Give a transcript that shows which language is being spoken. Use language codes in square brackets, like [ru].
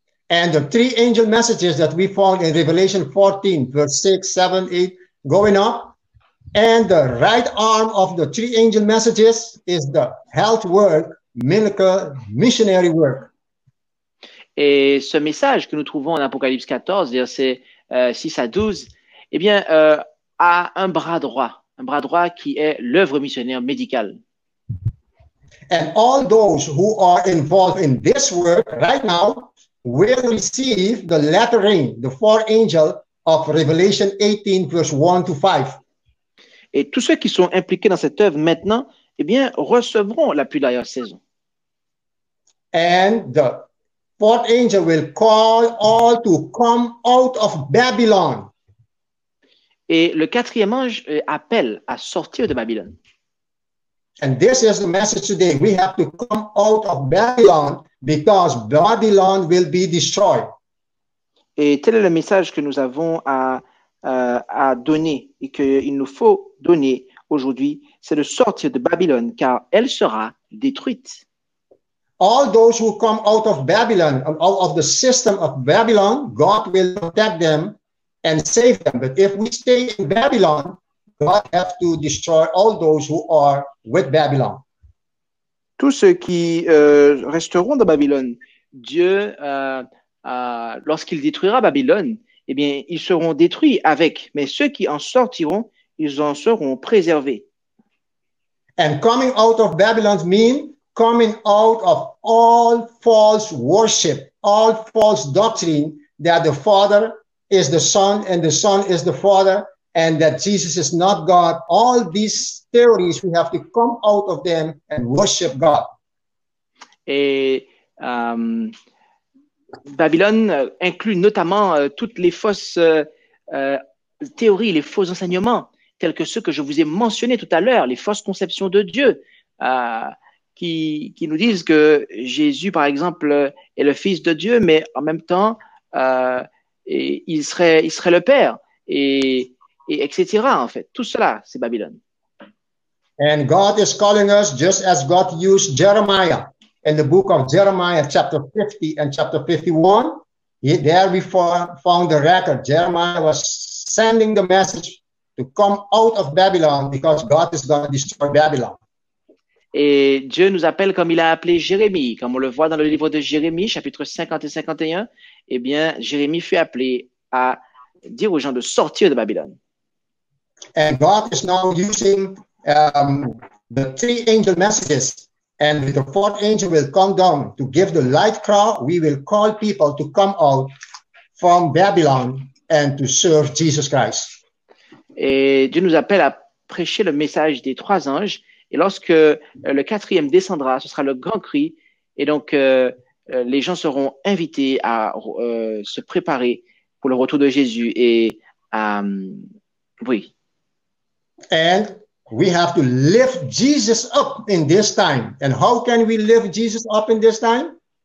[en] And the three angel messages that we found in Revelation 14, verse 6, 7, 8, going up. And the right arm of the three angel messages is the health work, miracle, missionary work. [fr] Et ce message que nous trouvons en Apocalypse 14, verset 6 à 12, eh bien, a un bras droit qui est l'œuvre missionnaire médicale. [en] And all those who are involved in this work right now will receive the lettering, the four angel of Revelation 18, verse 1 to 5. [fr] Et tous ceux qui sont impliqués dans cette œuvre maintenant, eh bien, recevront la pluie d'ailleurs saison. [en] And the fourth angel will call all to come out of Babylon. [fr] Et le quatrième ange appelle à sortir de Babylone. [en] And this is the message today. We have to come out of Babylon because Babylon will be destroyed. [fr] Et tel est le message que nous avons à donner et qu'il nous faut donner aujourd'hui, c'est de sortir de Babylone car elle sera détruite. [en] All those who come out of Babylon, out of the system of Babylon, God will protect them and save them. But if we stay in Babylon, God has to destroy all those who are with Babylon. [fr] Tous ceux qui resteront dans Babylone, Dieu, lorsqu'il détruira Babylone, eh bien, ils seront détruits avec, mais ceux qui en sortiront, ils en seront préservés. [en] And coming out of Babylon means coming out of all false worship, all false doctrine that the Father is the Son and the Son is the Father and that Jesus is not God. All these theories, we have to come out of them and worship God. [fr] Et Babylone inclut notamment toutes les fausses théories, les faux enseignements, tels que ceux que je vous ai mentionnés tout à l'heure, les fausses conceptions de Dieu, qui nous disent que Jésus, par exemple, est le Fils de Dieu, mais en même temps, il serait le Père, et etc. En fait, tout cela, c'est Babylone. [en] And God is calling us just as God used Jeremiah. In the book of Jeremiah, chapter 50 and chapter 51, there we found the record. Jeremiah was sending the message to come out of Babylon because God is going to destroy Babylon. [fr] Et Dieu nous appelle comme il a appelé Jérémie, comme on le voit dans le livre de Jérémie, chapitre 50 et 51. Eh bien, Jérémie fut appelé à dire aux gens de sortir de Babylone. [en] And God is now using the three angel messages. And the fourth angel will come down to give the light cry. We will call people to come out from Babylon and to serve Jesus Christ. [fr] Et Dieu nous appelle à prêcher le message des trois anges. Et lorsque le quatrième descendra, ce sera le grand cri. Et donc, les gens seront invités à se préparer pour le retour de Jésus. Et oui. [en] And we have to lift Jesus up in this time. And how can we lift Jesus up in this time?